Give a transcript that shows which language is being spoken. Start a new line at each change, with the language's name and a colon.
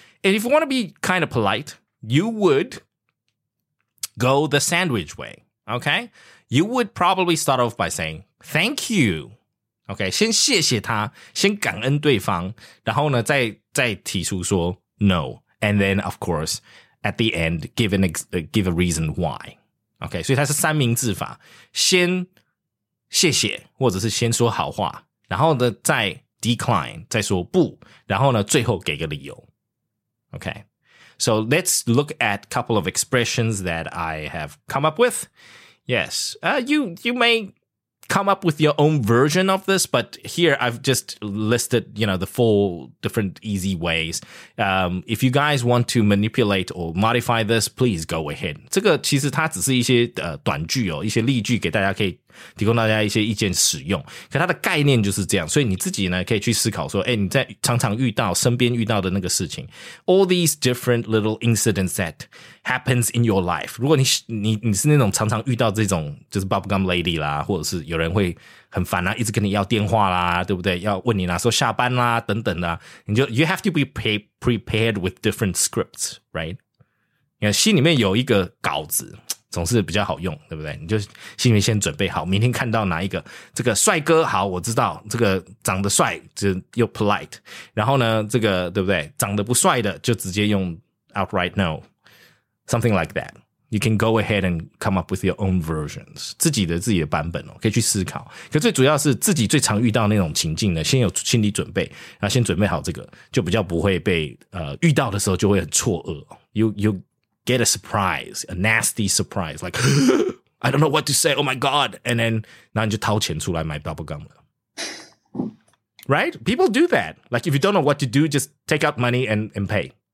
English: And if you want to be kind of polite, you would go the sandwich way, okay? You would probably start off by saying, thank you, okay?
Chinese: 先谢谢他,先感恩对方,然后呢,再提出说 no.
English: And then, of course, at the end, give a reason why, okay?
Chinese: 所以它是三明治法,先谢谢,或者是先说好话,然后呢,再 decline, 再说不,然后呢,最后给个理由。
English: Okay, so let's look at a couple of expressions that I have come up with. Yes, you may come up with your own version of this, but here I've just listed, you know, the four different easy ways. If you guys want to manipulate or modify this, please go ahead.
Chinese: 这个其实它只是一些短句哦，一些例句给大家可以提供大家一些意见使用。可它的概念就是这样，所以你自己呢可以去思考说，哎，你在常常遇到身边遇到的那个事情 ，
English: all these different little incidents that happens in your life。
Chinese: 如果你是那种常常遇到这种就是 bubblegum lady 啦，或者是有人会很烦啊，一直跟你要电话啦，对不对？要问你哪时候下班啦，等等啦，你就
English: you have to be prepared with different scripts, right？
Chinese: 你看心里面有一个稿子。总是比较好用，对不对？你就心里面先准备好，明天看到哪一个这个帅哥，好，我知道这个长得帅就又 polite， 然后呢，这个对不对？长得不帅的就直接用 outright no，
English: something like that。 You can go ahead and come up with your own versions，
Chinese: 自己的版本哦，可以去思考。可最主要是自己最常遇到那种情境呢，先有心理准备，然后先准备好这个，就比较不会被遇到的时候就会很错愕。
English: You get a surprise, a nasty surprise, like, I don't know what to say, oh my god, and then,
Chinese: 然后你就掏钱出来买 bubble gum 了。
English: Right? People do that. Like, if you don't know what to do, just take out money and pay.